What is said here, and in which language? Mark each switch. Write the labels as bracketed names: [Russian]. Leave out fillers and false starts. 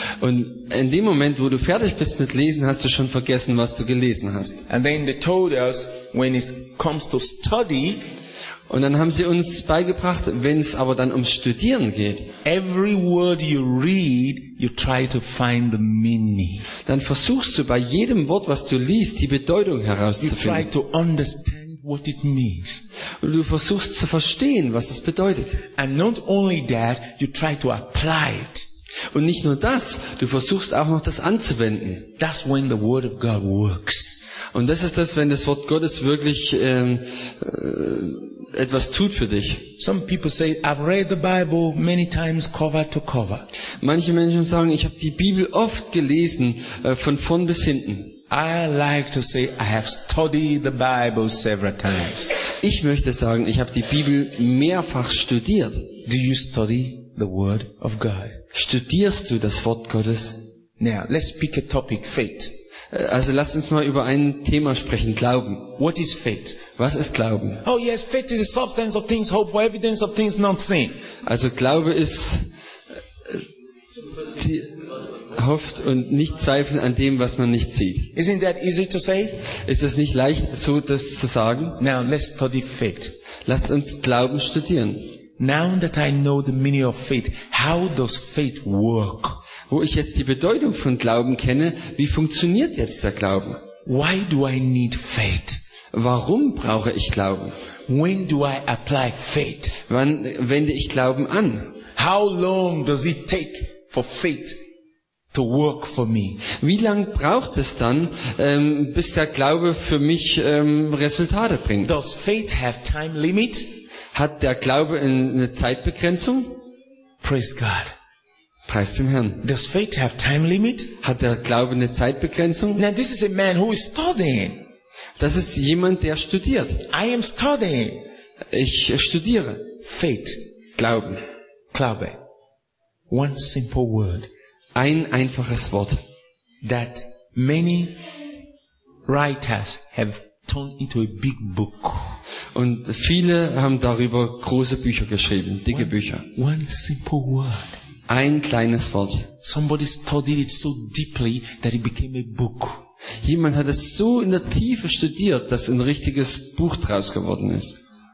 [German] Und in dem Moment, wo du fertig bist mit Lesen, hast du schon vergessen, was du gelesen hast. [English] And then they told us when it comes to study. [German] Und dann haben sie uns beigebracht, wenn es aber dann ums Studieren geht, [English] every word you read, you try to find the meaning. [German] Dann versuchst du bei jedem Wort, was du liest, die Bedeutung herauszufinden. [English] You try to understand what it means. [German] Und du versuchst zu verstehen, was es bedeutet. [English] And not only that, you try to apply it. [German] Und nicht nur das, du versuchst auch noch das anzuwenden. [English] That's when the word of God works. [German] Und das ist das, wenn das Wort Gottes wirklich etwas tut für dich. [English] Some people say, I've read the Bible many times cover to cover. [German] Manche Menschen sagen, ich habe die Bibel oft gelesen, von vorn bis hinten. [English] I like to say, I have studied the Bible several times. [German] Ich möchte sagen, ich habe die Bibel mehrfach studiert. [English] Do you study the Word of God? [German] Studierst du das Wort Gottes? [English] Now, let's pick a topic, faith. [German] Also lass uns mal über ein Thema sprechen, Glauben. [English] What is faith? [German] Was ist Glauben? [English] Oh yes, faith is the substance of things hoped for, evidence of things not seen. [German] Also Glaube ist die hofft und nicht zweifeln an dem, was man nicht sieht. [English] Isn't that easy to say? [German] Ist es nicht leicht, so das zu sagen? [English] Now let's study faith. [German] Lasst uns Glauben studieren. [English] Now that I know the meaning of faith, how does faith work? [German] Wo ich jetzt die Bedeutung von Glauben kenne, wie funktioniert jetzt der Glauben? [English] Why do I need faith? [German] Warum brauche ich Glauben? [English] When do I apply faith? [German] Wann wende ich Glauben an? [English] How long does it take for faith to work for me? [German] Wie lang braucht es dann, bis der Glaube für mich Resultate bringt? [English] Does faith have time limit? [German] Hat der Glaube eine Zeitbegrenzung? [English] Praise God. [German] Preis dem Herrn. [English] Does faith have time limit? [German] Hat der Glaube eine Zeitbegrenzung? [English] Now this is a man who is studying. [German] Das ist jemand, der studiert. [English] I am studying. [German] Ich studiere. [English] Faith. [German] Glauben. [English] Glaube. One simple word. [German] Ein einfaches Wort. [English] That many writers have turned into a big book. [German] Und viele haben darüber große Bücher geschrieben, dicke Bücher. [English] One simple word. [German] Ein kleines Wort. [English] Somebody studied it so deeply that it became a book. [German] Jemand hat es so in der Tiefe studiert, dass ein richtiges Buch draus geworden ist.